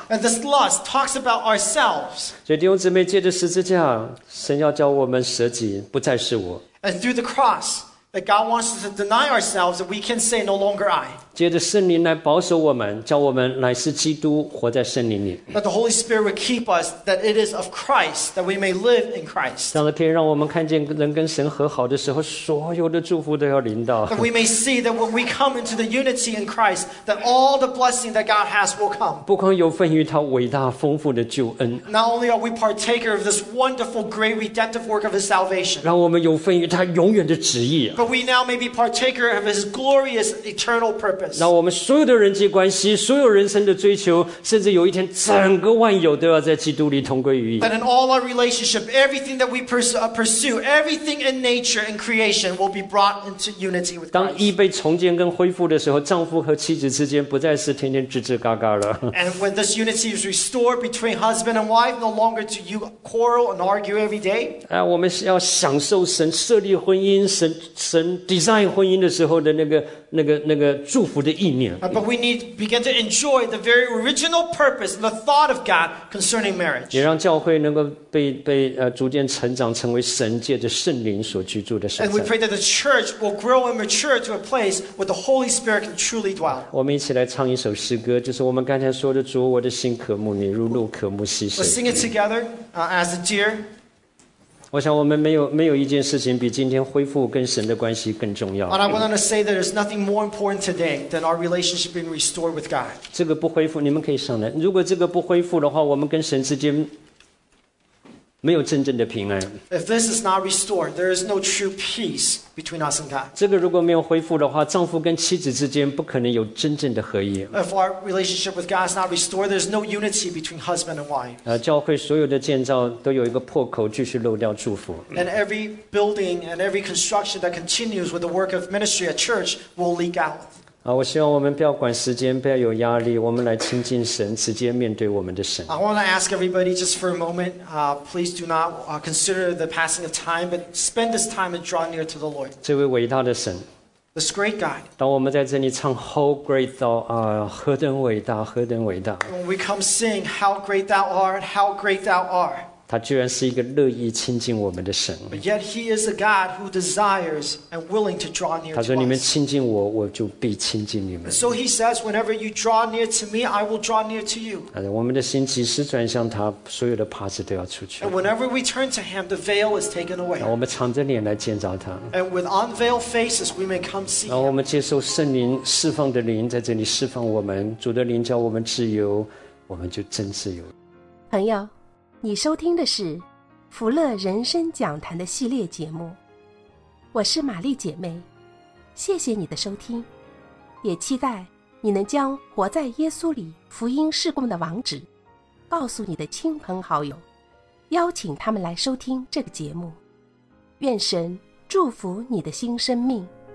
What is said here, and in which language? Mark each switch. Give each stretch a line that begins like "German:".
English: And this lust talks about ourselves.
Chinese: 所以弟兄姊妹，借着十字架，神要教我们舍己，不再是我。
English: And through the cross, that God wants us to deny ourselves, that we can say no longer I.
Chinese: 借着圣灵来保守我们，叫我们乃是基督，活在圣灵里。
English: That the Holy Spirit would keep us, that it is of Christ, that we may live in Christ.
Chinese: 这样的可以让我们看见人跟神和好的时候，所有的祝福都要临到。
English: That we may see that when we come into the unity in Christ, that all the blessing that God has will come.
Chinese: 不光有份于他伟大丰富的救恩。
English: Not only are we partaker of this wonderful, great redemptive work of His salvation.
Chinese: 让我们有份于他永远的旨意。
English: But we now may be partaker of His glorious, eternal purpose.
Chinese: 让我们所有的人际关系，所有人生的追求，甚至有一天整个万有都要在基督里同归于一。
English: That in all our relationship, everything that we pursue, everything in nature and creation will be brought into unity with Christ.
Chinese: 当义被重建跟恢复的时候，丈夫和妻子之间不再是天天吱吱嘎嘎了。
English: And when this unity is restored between husband and wife, no longer do you quarrel and argue every day.
Chinese: 我们要享受神设立婚姻、神design婚姻的时候的那个祝福。福的意念。
English: But we need to begin to enjoy the very original purpose, the thought of God concerning marriage.
Chinese: 也让教会能够被逐渐成长，成为神借着圣灵所居住的所在。
English: And we pray that the church will grow and mature to a place where the Holy Spirit can truly dwell.
Chinese: 我们一起来唱一首诗歌，就是我们刚才说的：“主，我的心渴慕你，如鹿渴慕溪水。”
English: We'll sing it together, as a deer.
Chinese: 我想我们没有一件事情比今天恢复跟神的关系更重要。
English: And I want to say that there's nothing more important today than our relationship being restored with God.
Chinese: 这个不恢复，你们可以上来。如果这个不恢复的话，我们跟神之间没有真正的平安。
English: If this is not restored, there is no true peace between us and God.
Chinese: 这个如果没有恢复的话，丈夫跟妻子之间不可能有真正的合一。
English: If our relationship with God is not restored, there is no unity between husband and wife.
Chinese: 教会所有的建造都有一个破口，继续漏掉祝福。
English: And every building and every construction that continues with the work of ministry at church will leak out.
Chinese: 我希望我们不要管时间，不要有压力，我们来亲近神，直接面对我们的神。
English: I want to ask everybody just for a moment, please do not consider the passing of time, but spend this time and draw near to the Lord.
Chinese: 这位伟大的神
English: This great God.
Chinese: 当我们在这里唱
English: How great thou art,
Chinese: 何等伟大，何等伟大。
English: When we come sing, How great thou art, how great thou art.
Chinese: 他居然是一个乐意亲近我们的神。
English: But yet he is a God who desires and willing to draw near to us.
Chinese: 他说你们亲近我，我就必亲近你们。
English: So he says, whenever you draw near to me, I will draw near to you.
Chinese: 我们的心即时转向他，所有的帕子都要出去。
English: And whenever we turn to him, the veil is taken away.
Chinese: 我们敞着脸来见着他。
English: And with unveiled faces, we may come see him.
Chinese: 我们接受圣灵释放的灵在这里释放我们，主的灵叫我们自由，我们就真自由。朋友，你收听的是福乐人生讲坛的系列节目，我是玛丽姐妹，谢谢你的收听，也期待你能将活在耶稣里福音事工的网址告诉你的亲朋好友，邀请他们来收听这个节目。愿神祝福你的新生命。